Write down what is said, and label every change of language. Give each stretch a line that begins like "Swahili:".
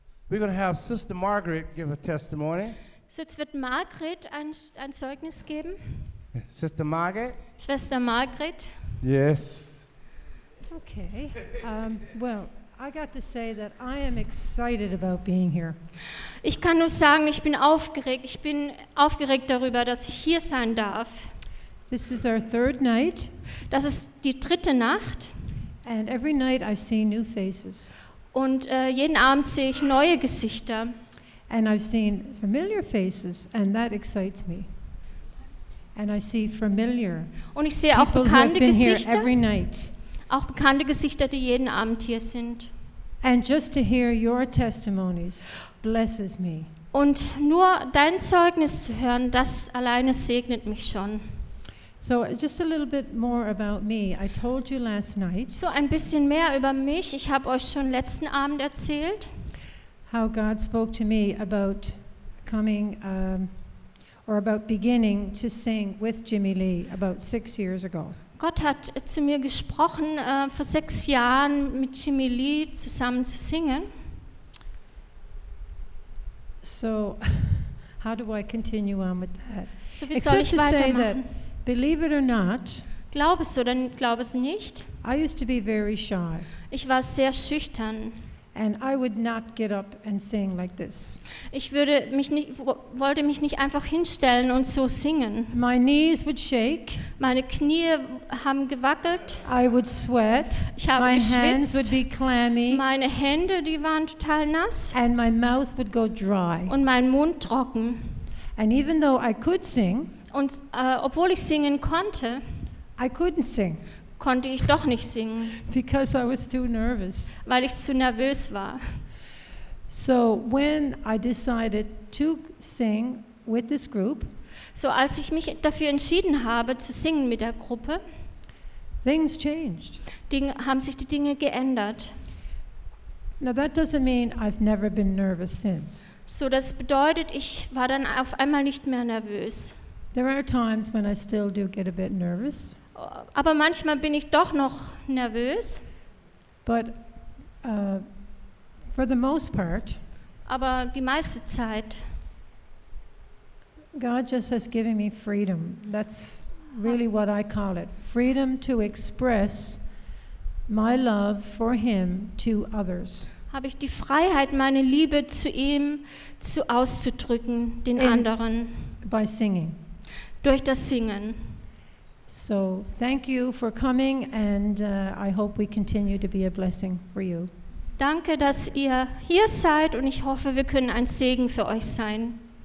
English: We're going to have Sister Margaret give a testimony.
German: So jetzt wird Margaret ein Zeugnis geben.
English: Sister Margaret.
German: Schwester Margaret.
English: Yes. Okay. Well, I got to say that I am excited about being here.
German: Ich kann nur sagen, ich bin aufgeregt. Ich bin aufgeregt darüber, dass ich hier sein darf.
English: This is our third night.
German: Das ist die dritte Nacht.
English: And every night I see new faces.
German: Und jeden Abend sehe ich neue Gesichter.
English: And I've seen familiar faces, and that excites me. And I see familiar.
German: Und ich sehe auch bekannte Gesichter.
English: Here every night.
German: Auch bekannte Gesichter, die jeden Abend hier sind.
English: And just to hear your testimonies blesses me.
German: Und nur dein Zeugnis zu hören, das alleine segnet mich schon.
English: So just a little bit more about me. I told you last night.
German: So ein bisschen mehr über mich. Ich habe euch schon letzten Abend erzählt.
English: How God spoke to me about coming or about beginning to sing with Jimmy Lee about 6 years ago.
German: Gott hat zu mir gesprochen vor 6 Jahren mit Jimmy Lee zusammen zu singen.
English: So how do I continue on with that?
German: So wie soll ich weitermachen?
English: Believe it or not,
German: glaub es oder glaub es nicht,
English: I used to be very shy.
German: Ich war sehr schüchtern.
English: And I would not get up and sing like this.
German: Ich würde mich nicht, wollte mich nicht einfach hinstellen und so singen.
English: My knees would shake.
German: Meine Knie haben gewackelt.
English: I would sweat.
German: Ich habe
English: my
German: geschwitzt.
English: Hands would be clammy.
German: Meine Hände, die waren total nass.
English: And my mouth would go dry.
German: Und mein Mund trocken.
English: And even though I could sing,
German: und obwohl ich singen konnte,
English: I couldn't sing.
German: Konnte ich doch nicht singen.
English: Because I was too nervous.
German: Weil ich zu nervös war.
English: So when I decided to sing with this group,
German: so als ich mich dafür entschieden habe zu singen mit der Gruppe,
English: things changed.
German: Haben sich die Dinge geändert.
English: Now that doesn't mean I've never been nervous since.
German: So das bedeutet, ich war dann auf einmal nicht mehr nervös.
English: There are times when I still do get a bit nervous.
German: Aber manchmal bin ich doch noch nervös.
English: But for the most part,
German: aber die meiste Zeit,
English: God just has given me freedom. That's really what I call it. Freedom to express my love for him to others.
German: Habe ich die Freiheit, meine Liebe zu ihm zu auszudrücken, den anderen.
English: By singing.
German: Durch das Singen.
English: So, thank you for coming, and I hope we continue to be a blessing for you.
German: Danke, dass ihr hier seid, und ich hoffe, wir können ein Segen für euch sein.